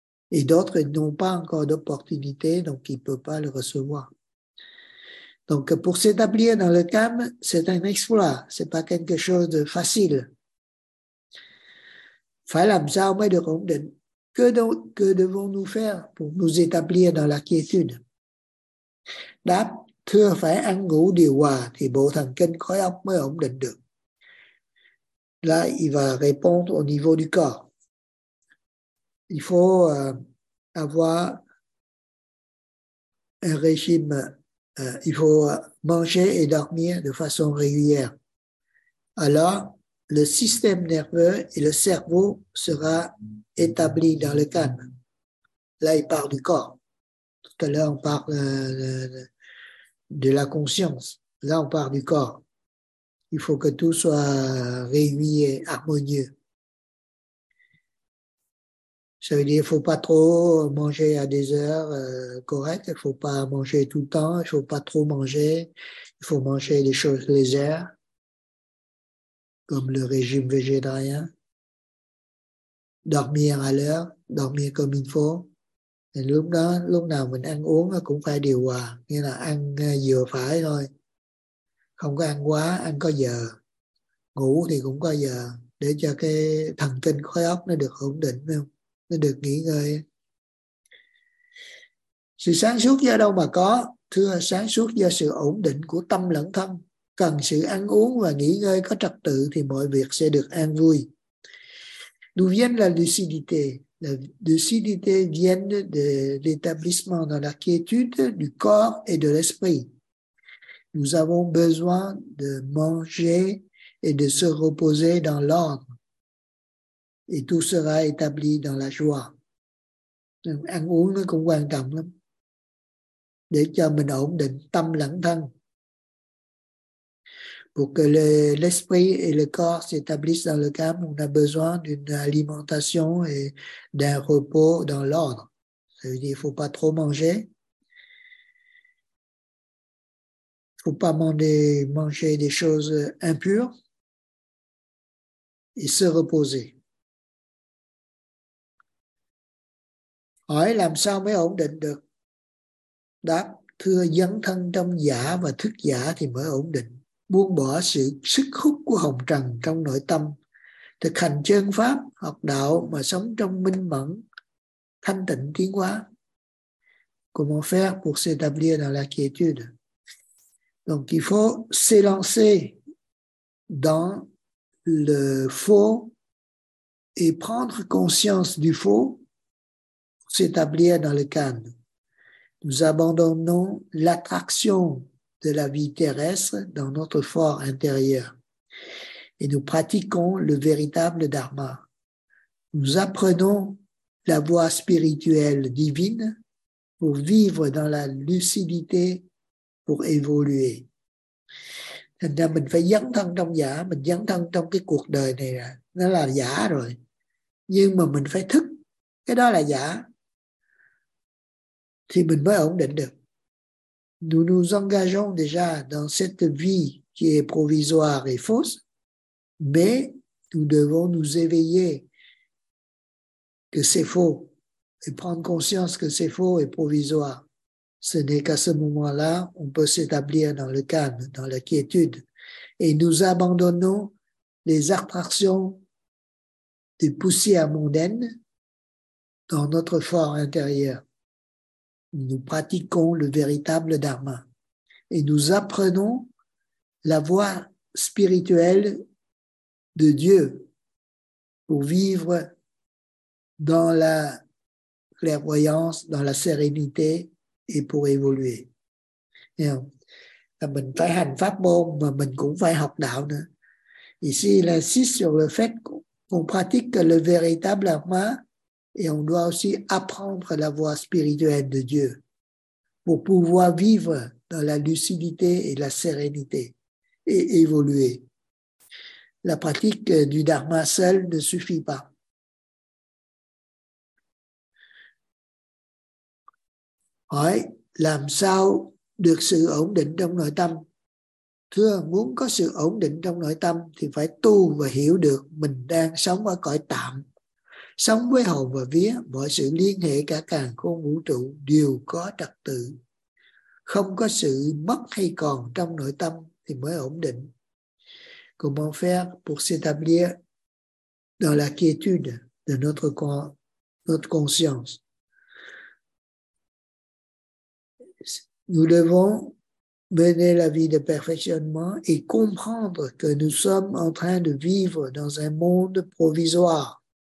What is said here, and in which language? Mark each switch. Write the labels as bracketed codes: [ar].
[fr] Et d'autres n'ont pas encore d'opportunité, donc ils ne peuvent pas le recevoir. Donc pour s'établir dans le kam, c'est un exploit, ce n'est pas quelque chose de facile. Que devons-nous faire pour nous établir dans la quiétude? [vi] Thưa phải ăn ngủ điều hòa thì bộ thần kinh khối óc mới ổn định được. [fr] Là il va répondre au niveau du corps. Il faut avoir un régime, il faut manger et dormir de façon régulière. Alors, le système nerveux et le cerveau sera établi dans le calme. Là, il parle du corps. Tout à l'heure, on parle de la conscience. Là, on parle du corps. Il faut que tout soit régulier, harmonieux. Ça veut dire qu'il ne faut pas trop manger à des heures correctes. Il ne faut pas manger tout le temps. Il ne faut pas trop manger. Il faut manger des choses légères, comme le régime végétarien. Dormir à l'heure, dormir comme il faut. [vi] Thì lúc đó, lúc nào mình ăn uống cũng phải điều hòa, nghĩa là ăn vừa phải thôi, không có ăn quá, ăn có giờ, ngủ thì cũng có giờ, để cho cái thần kinh khối óc nó được ổn định, nó được nghỉ ngơi. Sự sáng suốt do đâu mà có? Thưa, sáng suốt do sự ổn định của tâm lẫn thân. Cần sự ăn uống và nghỉ ngơi có trật tự thì mọi việc sẽ được an vui. [fr] D'où vient la lucidité? La lucidité vient de l'établissement dans la quiétude du corps et de l'esprit. Nous avons besoin de manger et de se reposer dans l'ordre. Et tout sera établi dans la joie. [vi] Ăn uống nó cũng quan trọng lắm. Để cho mình ổn định tâm lẫn thân. [fr] Pour que l'esprit et le corps s'établissent dans le calme, on a besoin d'une alimentation et d'un repos dans l'ordre. Ça veut dire qu'il ne faut pas trop manger. Il ne faut pas manger des choses impures et se reposer. [vi] Hỏi làm sao mới ổn định được? Đáp, thưa dấn thân trong giả và thức giả thì mới ổn định. Buông bỏ sự sức hút của hồng trần trong nội tâm, thực hành chân pháp, học đạo mà sống trong minh mẫn, thanh tịnh tiến hóa. [fr] Comment faire pour s'établir dans la quiétude? Donc il faut s'élancer dans le faux et prendre conscience du faux pour s'établir dans le calme. Nous abandonnons l'attraction de la vie terrestre dans notre fort intérieur. Et nous pratiquons le véritable dharma. Nous apprenons la voie spirituelle divine pour vivre dans la lucidité, pour évoluer. [vi] Thành ra mình phải dấn thân trong giả, mình dấn thân trong cái cuộc đời này là, nó là giả rồi. Nhưng mà mình phải thức, cái đó là giả. Thì mình mới ổn định được. [fr] Nous nous engageons déjà dans cette vie qui est provisoire et fausse, mais nous devons nous éveiller que c'est faux et prendre conscience que c'est faux et provisoire. Ce n'est qu'à ce moment-là qu'on peut s'établir dans le calme, dans la quiétude, et nous abandonnons les attractions des poussières mondaines dans notre fort intérieur. Nous pratiquons le véritable dharma et nous apprenons la voie spirituelle de Dieu pour vivre dans la clairvoyance, dans la sérénité et pour évoluer. [vi] Mình phải hành pháp môn mà mình cũng phải học đạo nữa. [fr] Ici, il insiste sur le fait qu'on pratique le véritable dharma. Et on doit aussi apprendre la voie spirituelle de Dieu pour pouvoir vivre dans la lucidité et la sérénité et évoluer. La pratique du dharma seul ne suffit pas. [vi] Hỏi làm sao được sự ổn định trong nội tâm? Thưa, muốn có sự ổn định trong nội tâm thì phải tu và hiểu được mình đang sống ở cõi tạm. Sống với hồn và vía, mọi sự liên hệ cả càn khôn vũ trụ đều có trật tự. Không có sự mất hay còn trong nội tâm thì mới ổn định. [fr] Comment faire pour s'établir dans la quiétude de notre conscience? Nous devons mener la vie de perfectionnement et comprendre que nous sommes en train de vivre dans un monde provisoire.